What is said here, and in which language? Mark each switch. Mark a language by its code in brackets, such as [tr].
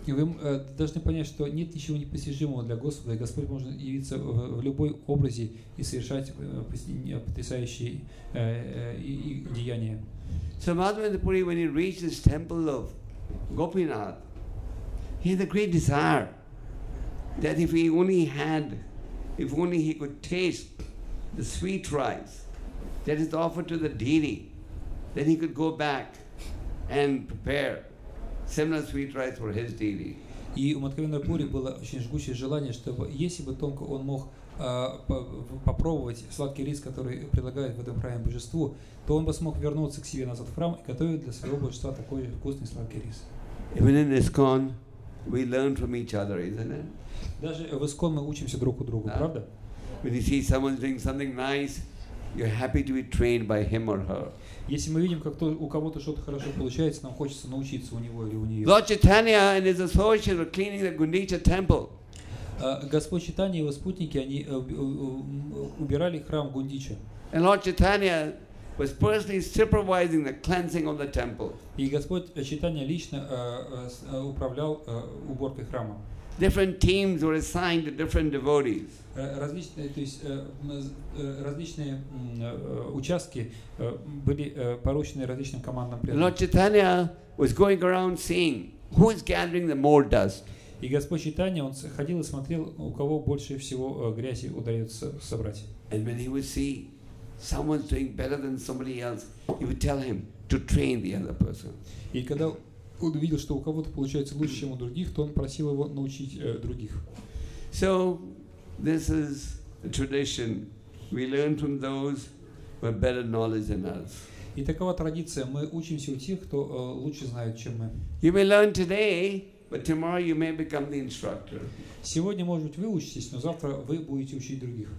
[ru] И вы должны понять, что нет ничего непостижимого для Господа, и Господь может явиться в любой образе и совершать потрясающие деяния. [en] So Madhavendra Puri, when he reached this temple of Gopinath, he had a great desire that if only he could taste the sweet rice that is offered to the deity, then he could go back and prepare similar sweet rice for his deity. [ru] И у Мадхавендра Пури было очень жгучее желание, чтобы если бы только он мог попробовать сладкий рис, который предлагает в этом храме божеству, то он бы смог вернуться к себе назад в храм и готовить для своего божества такой же вкусный сладкий рис. [en] Even in ISKCON, we learn from each other, isn't it? [ru] Даже в ISKCON мы учимся друг у друга, правда? [en] When you see someone doing something nice, you're happy to be trained by him or her. [ru] Если мы видим, как у кого-то что-то хорошо получается, нам хочется научиться у него или у нее. [en] Lord Chaitanya and his associates were cleaning the Gundicha temple. [ru] Господь Чайтанья и его спутники, они убирали храм Гундича. [en] And Lord Chaitanya was personally supervising the cleansing of the temple. [ru] И Господь Читания лично управлял уборкой храма. [en] Different teams were assigned to different devotees. [ru] Различные, то есть различные участки были поручены различным командам. [en] Lord Chaitanya was going around seeing who is gathering the more dust. [ru] И Господь Читания, он ходил и смотрел, у кого больше всего грязи удается собрать. [en] And when he would see someone's doing better than somebody else, he would tell him to train the other person. [ru] И когда он увидел, что у кого-то получается лучше, чем у других, то он просил его научить других. [en] So this is a tradition. We learn from those who have better knowledge than us. [ru] И такова традиция. Мы учимся у тех, кто лучше знает, чем мы. [en] You may learn today, but tomorrow you may become the instructor. [ru] Сегодня, может быть, вы учитесь, но завтра вы будете учить других.